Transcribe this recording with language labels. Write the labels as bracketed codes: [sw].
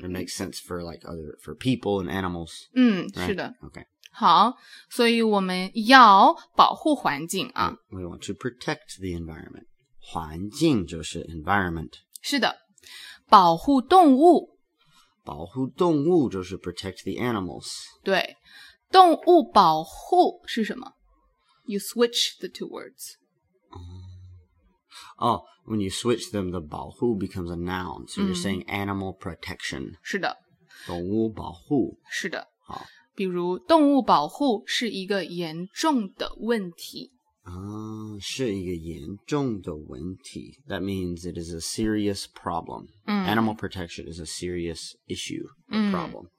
[en] It makes sense for like other, for people and animals. [zh] 嗯、 right? 是的。 [en] Okay. [zh] 好，所以我们要保护环境啊。 [en] We want to protect the environment. 环境就是 environment. [zh] 是的。保护动物。保护动物就是 protect the animals. 对，动物保护是什么？ You switch the two words. [en] Oh, when you switch them, the 保护 becomes a noun. So you're saying animal protection. [zh] 是的。动物保护。是的。好。比如动物保护是一个严重的问题。 [en] 是一个严重的问题。 That means it is a serious problem.、嗯、 Animal protection is a serious issue, a problem.、